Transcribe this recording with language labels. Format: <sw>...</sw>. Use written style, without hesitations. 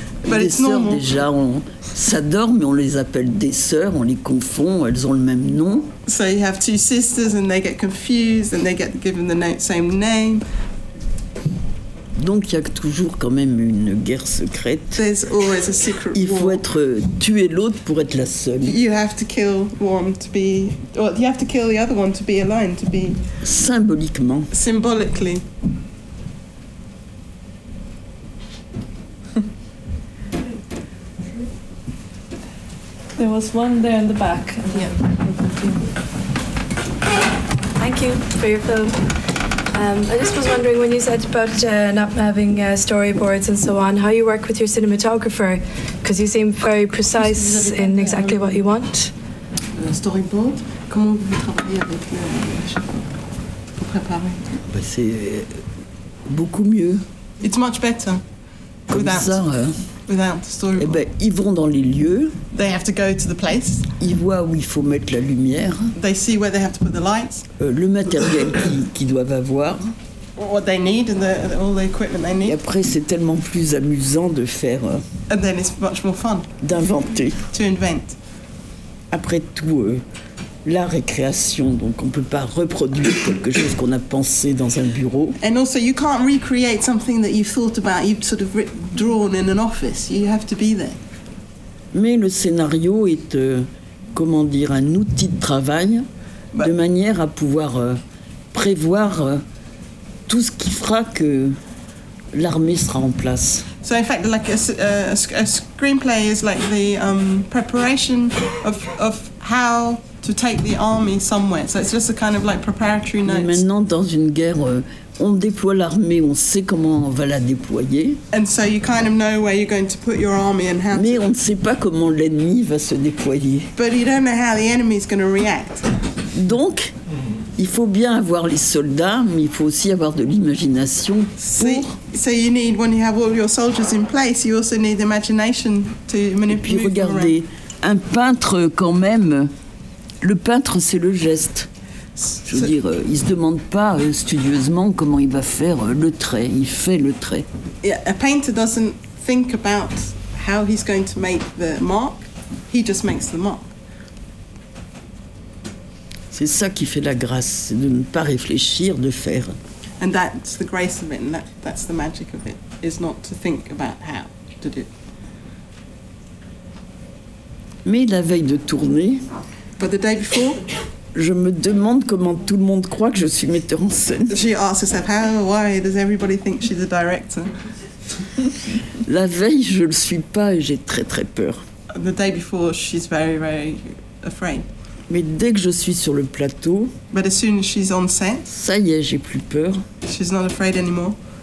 <fr>Les sœurs, déjà, on s'adore, mais on les appelle des sœurs, on les confond, elles ont le même nom.</fr> <en>So you have two sisters and they get confused and they get given the same name.</en> <fr>Donc il y a toujours quand même une guerre secrète.</fr> <en>There's always a secret war.</en> <fr>Il faut être tuer l'autre pour être la seule.</fr> <en>You have to kill one to be, or you have to kill the other one to be aligned, to be.</en> <fr>Symboliquement.</fr> <en>Symbolically. There was one there in the back. Yeah. Thank you for your film. I just was wondering when you said about not having storyboards and so on, how you work with your cinematographer, because you seem very precise in exactly what you want.</en> <fr>Storyboard? Comment vous travaillez avec pour préparer? Bah c'est beaucoup mieux.</fr> <en>It's much better.</en> <fr>Eh ben, ils vont dans les lieux.</fr> <en>They have to go to the place.</en> <fr>Ils voient où il faut mettre la lumière.</fr> <en>They see where they have to put the lights.</en> <fr>Le matériel qu'ils doivent avoir.</fr> <en>What they need and all the equipment they need.</en> <fr>Et après, c'est tellement plus amusant de faire.</fr> <en>And then it's much more fun.</en> <fr>D'inventer.</fr> <en>To invent.</en> <fr>Après tout, l'art est création, donc on peut pas reproduire quelque chose qu'on a pensé dans un bureau.</fr> <en>And also, you can't recreate something that you've thought about, you've sort of drawn in an office. You have to be there.</en> <fr>Mais le scénario est, comment dire, un outil de travail, but de manière à pouvoir prévoir tout ce qui fera que l'armée sera en place.</fr> <en>So in fact, like a screenplay is like the preparation of how to take the army somewhere. So it's just a kind of like preparatory notes.</en> <fr>Mais maintenant, dans une guerre, on déploie l'armée, on sait comment on va la déployer.</fr> <en>And so you kind of know where you're going to put your army and how.</en> <fr>Mais on ne sait pas comment l'ennemi va se déployer.</fr> <en>But you don't know how the enemy is going to react.</en> <fr>Donc, il faut bien avoir les soldats, mais il faut aussi avoir de l'imagination pour.</fr> <en>So you need, when you have all your soldiers in place, you also need imagination to manipulate.</en> <fr>Et puis regardez, un peintre quand même. Le peintre, c'est le geste. Je veux dire, il ne se demande pas studieusement comment il va faire le trait. Il fait le trait.</fr> <en>Yeah, a painter doesn't think about how he's going to make the mark. He just makes the mark.</en> <fr>C'est ça qui fait la grâce, de ne pas réfléchir, de faire.</fr> <en>And that's the grace of it, and that's the magic of it, is not to think about how to do.</en> <fr>Mais la veille de tournée,</fr> <en>but the day before,</en> <fr>je me demande comment tout le monde croit que je suis metteur en scène.</fr> <en>She asks herself, how, why does everybody think she's a director?</en> <fr>La veille, je le suis pas et j'ai très très peur.</fr> <en>The day before, she's very, very afraid.</en> <fr>Mais dès que je suis sur le plateau,</fr> <en>but as soon as she's on set,</en> <fr>ça y est, j'ai plus peur.</fr> <en>She's not afraid anymore.</en>